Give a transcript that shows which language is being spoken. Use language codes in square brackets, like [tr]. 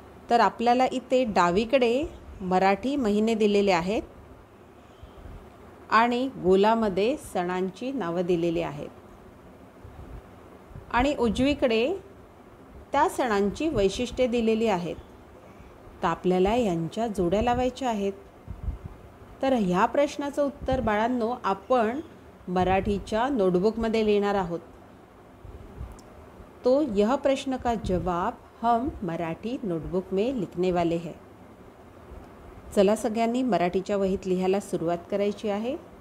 [mr] तर आपल्याला इथे डावीकडे मराठी महिने दिलेले आहेत आणि गोलामध्ये सणांची नावं दिलेली आहेत आणि उजवीकडे त्या सणांची वैशिष्ट्ये दिलेली आहेत. तर आपल्याला यांच्या जोड्या लावायच्या आहेत. तर ह्या प्रश्नाचं उत्तर बाळांनो आपण मराठीच्या नोटबुकमध्ये लिहिणार आहोत. [hi] तो यह प्रश्न का जवाब हम मराठी नोटबुक में लिखने वाले है. [mr] चला सगळ्यांनी मराठीच्या वहीत लिहायला सुरुवात करायची आहे.